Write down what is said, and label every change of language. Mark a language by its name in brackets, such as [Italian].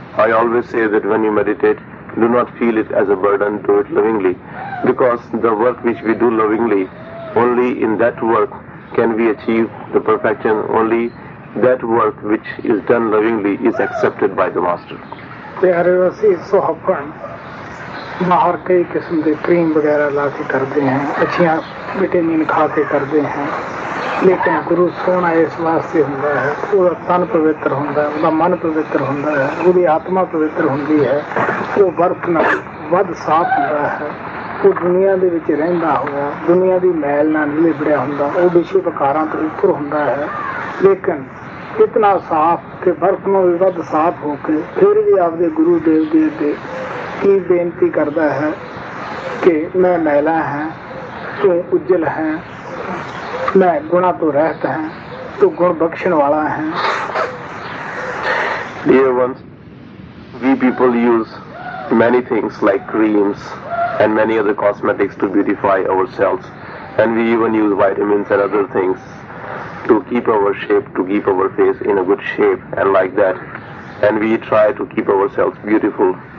[English] I always say that when you meditate, do not feel it as a burden, do it lovingly. Because the work which we do lovingly, only in that work can we achieve the perfection. Only that work which is done lovingly is accepted by the Master. [Punjabi] ਪਿਆਰੇ, ਅਸੀਂ ਸੁਹੱਪਣ ਬਾਹਰ ਕਈ ਕਿਸਮ ਦੇ cream ਵਗੈਰਾ ਲਾ ਕੇ ਕਰਦੇ ਹਾਂ, ਅੱਛੀਆਂ ਵਿਟਾਮਿਨ ਖਾ ਕੇ ਕਰਦੇ ਹਾਂ, ਲੇਕਿਨ ਗੁਰੂ ਸੋਹਣਾ ਇਸ ਵਾਸਤੇ ਹੁੰਦਾ ਹੈ, ਉਹਦਾ ਤਨ ਪਵਿੱਤਰ ਹੁੰਦਾ, ਉਹਦਾ ਮਨ ਪਵਿੱਤਰ ਹੁੰਦਾ ਹੈ, ਉਹਦੀ ਆਤਮਾ ਪਵਿੱਤਰ ਹੁੰਦੀ ਹੈ, ਉਹ ਬਰਫ ਨਾਲ ਵੱਧ ਸਾਫ਼ ਹੁੰਦਾ ਹੈ, ਉਹ ਦੁਨੀਆਂ ਦੇ ਵਿੱਚ ਰਹਿੰਦਾ ਹੋਇਆ ਦੁਨੀਆਂ ਦੀ ਮੈਲ ਨਾਲ ਨਹੀਂ ਲਿਬੜਿਆ ਹੁੰਦਾ, ਉਹ ਵਿਸ਼ੇ ਵਿਕਾਰਾਂ ਤੋਂ ਉੱਪਰ ਹੁੰਦਾ ਹੈ, ਲੇਕਿਨ ਇਤਨਾ ਸਾਫ਼ ਕਿ ਬਰਫ ਨੂੰ ਵੀ ਵੱਧ ਸਾਫ਼ ਹੋ ਕੇ ਫਿਰ ਵੀ ਆਪਦੇ ਗੁਰੂ ਦੇਵ ਜੀ ਅੱਗੇ ਕੀ ਬੇਨਤੀ ਕਰਦਾ ਹੈ ਕਿ ਮੈਂ ਮੈਲਾ ਹੈ, ਤੂੰ ਉੱਜਲ ਹੈ, ਮੈਂ ਗੁਣਾਂ ਤੋਂ ਰਹਿਤ ਹੈ, ਤੂੰ ਗੁਣ ਬਖਸ਼ਣ ਵਾਲਾ ਹੈ। [English] Dear ones, we people use many things like creams and many other cosmetics to beautify ourselves, and we even use vitamins and other things to keep our shape, to keep our face in a good shape and like that, and we try to keep ourselves beautiful.